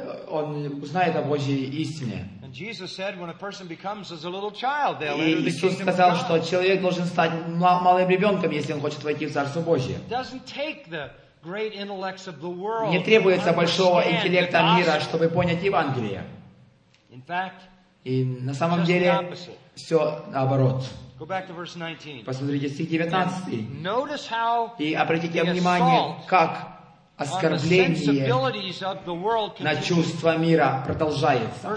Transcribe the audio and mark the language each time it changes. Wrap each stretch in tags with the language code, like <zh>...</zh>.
<ru>Он узнает о Божьей истине.</ru> <en>Jesus said, when a person becomes as a little child, they'll enter the kingdom of God.</en> <ru>Иисус сказал, что человек должен стать малым ребенком, если он хочет войти в Царство Божие.</ru> <en>It doesn't take the great intellects of the world.</en> <ru>Не требуется большого интеллекта мира, чтобы понять Евангелие.</ru> <en>In fact,</en> <ru>и на самом деле все наоборот.</ru> <en>Go back to verse 19.</en> <ru>Посмотрите стих 19.</ru> <en>Notice how</en> <ru>и обратите внимание, как оскорбление на чувства мира продолжается.</ru>